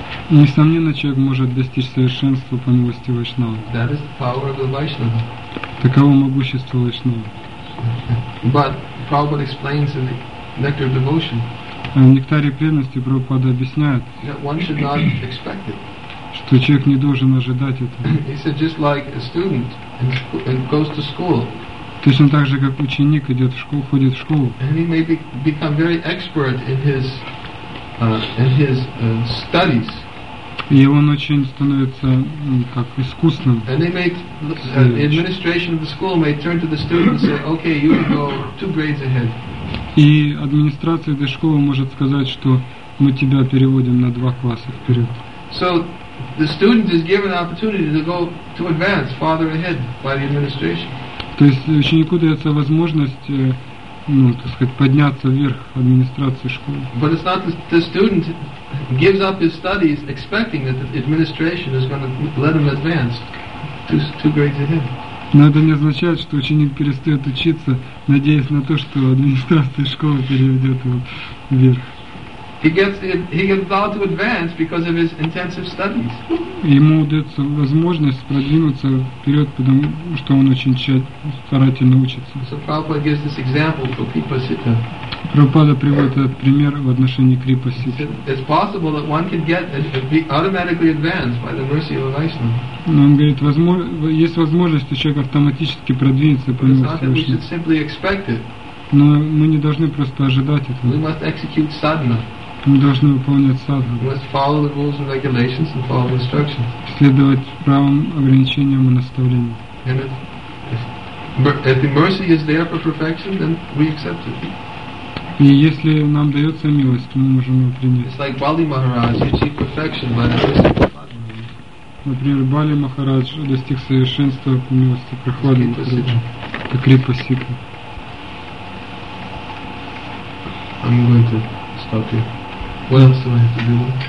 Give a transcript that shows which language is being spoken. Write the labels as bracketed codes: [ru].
[ru] Несомненно, человек может достичь совершенства по милости Вайшнава. [en] That is the power of the Vaishnava. [ru] Таково могущество Вайшнава. [en] But Prabhupada explains in the Nectar of Devotion. [ru] В Нектаре преданности Прабхупада объясняет, [en] that one should not expect it. [ru] Что человек не должен ожидать этого. [en] He said just like a student and goes to school. [ru] Точно так же, как ученик идет в школу, ходит в школу. [en] And he may become very expert in his studies. [ru] И он очень становится как искусным. [en] And they may the administration of the school may turn to the student and say, okay, you can go 2 grades ahead. [ru] И администрация этой школы может сказать, что мы тебя переводим на 2 класса вперед. [en] So the student is given an opportunity to go to advance farther ahead by the administration. [ru] То есть ученику дается возможность, ну, так сказать, подняться вверх администрации школы. [en] But it's not the student gives up his studies expecting that the administration is going to let him advance two grades ahead. [ru] Но это не означает, что ученик перестает учиться, надеясь на то, что администрация школы переведет его вверх. [en] He gets allowed to advance because of his intensive studies. [ru] Ему дается возможность продвинуться вперед, потому что он очень тщательно, старательно учится. [en] So Prabhupada gives this example for Kripa-sita. [ru] Прабхупада приводит этот пример в отношении Крипа-ситхи. [en] It's possible that one can get automatically advanced by the mercy of a Vaishnava. [ru] Но он говорит, есть возможность, что человек автоматически продвинется по милости Вайшнава. [en] But it's not that we should simply expect it. [ru] Но мы не должны просто ожидать этого. [en] We must execute sadhana. [ru] Мы должны выполнять садхану. [en] We must follow the rules and regulations and follow instructions. [ru] Следовать правым ограничениям и наставлениям. [en] If the mercy is there for perfection, then we accept it. [ru] И если нам дается милость, то мы можем ее принять. [en] It's like Bali Maharaj, you achieve perfection by the mercy of [ru] Prahlada. Например, Бали Махарадж достиг совершенства по милости Прахлады Махараджа. Как Крипа Ситха. [en] I'm going to stop here. What else do I have to do?